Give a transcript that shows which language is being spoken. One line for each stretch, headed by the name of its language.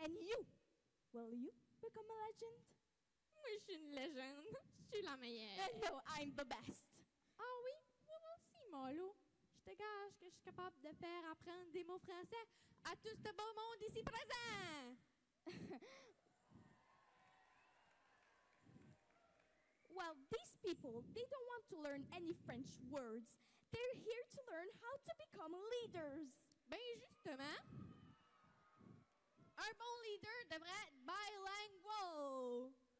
English: And you, will you become a legend?
French: Moi, je suis une légende. Je suis la meilleure.
English: No, I'm the best.
French: Ah oui, moi aussi, Molo. Je te gage que je suis capable de faire apprendre des mots français à tout ce beau monde ici présent.
English: Well, these people, they don't want to learn any French words. They're here to learn how to become leaders.
French: Ben justement, un bon leader devrait être bilingual.